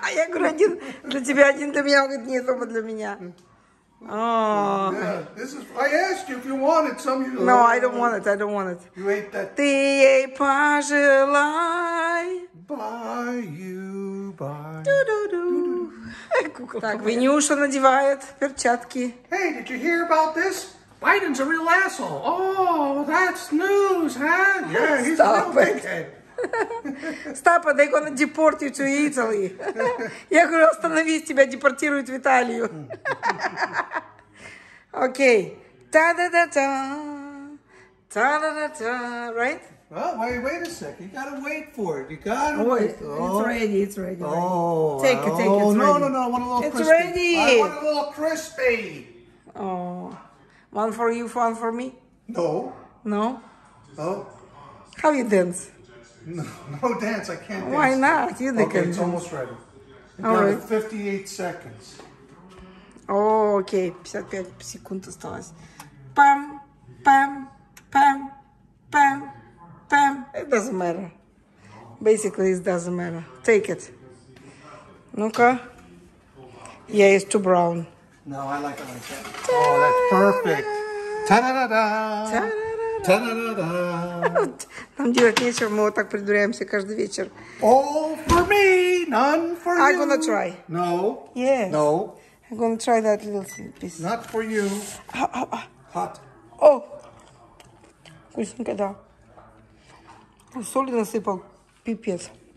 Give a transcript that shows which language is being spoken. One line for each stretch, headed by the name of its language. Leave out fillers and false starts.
Russian: Я говорю один для тебя, один для меня. Он говорит нет, оба для меня.
English: I asked you if you wanted some. No, I don't want it. You ate that.
Russian: Ты ей пожелай. Так, Винюша надевает перчатки.
English: Hey, did you hear about this? Biden's a real asshole. Oh, that's news, huh? Yeah, he's a real dickhead. Stop it, they're gonna deport you to Italy.
Russian: Я говорю, остановись, тебя депортируют в Италию. Окей. Та-да-да-та. Та-да-да-та. Right?
English: Well, wait a second. You gotta wait for it. It's ready. Oh. Take it. No. I want it all crispy. Oh. One for you, one for me? No. No? No. How you dance? No dance. I can't dance. Why not? You think okay, it's almost ready. You all right. 58 seconds. Oh, okay.
Russian: 55 секунд осталось.
English: Пам, пам, пам, пам. It doesn't matter. Basically, it doesn't matter. Take it.
Russian: Ну-ка.
English: Yeah, it's too brown. No, I like it like that. Oh, that's perfect. Ta-da-da-da. Ta-da-da-da.
Russian: Нам делать нечего, мы вот так придуряемся каждый вечер.
English: All for me, none for you. I'm gonna try. No. Yes. No. I'm gonna try that little piece. Not for you. Hot.
Russian: Oh. Вкусненько, да. Соли насыпал. Пипец.